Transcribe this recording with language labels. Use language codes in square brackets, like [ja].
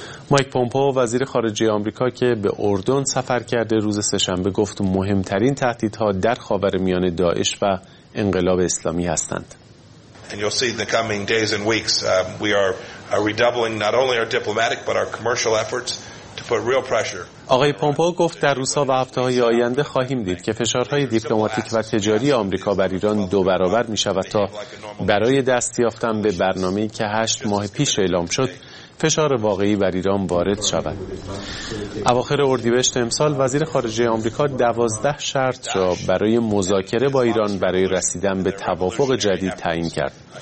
[fa] مایک پومپئو وزیر خارجه آمریکا که به اردن سفر کرده روز سه‌شنبه گفت مهمترین تهدیدها در خاورمیانه داعش و انقلاب اسلامی هستند. [en] And you'll see in the coming days and weeks we are redoubling not only our diplomatic but our commercial efforts to put real pressure. [fa] آقای پومپئو گفت در روزها و هفته‌های آینده خواهیم دید که فشارهای دیپلماتیک و تجاری آمریکا بر ایران دو برابر می‌شود تا برای دست یافتن به برنامه‌ای که 8 ماه پیش اعلام شد فشار واقعی بر ایران وارد شود. اواخر اردیبهشت امسال وزیر خارجه آمریکا 12 شرط را برای مذاکره با ایران برای رسیدن به توافق جدید تعیین کرد.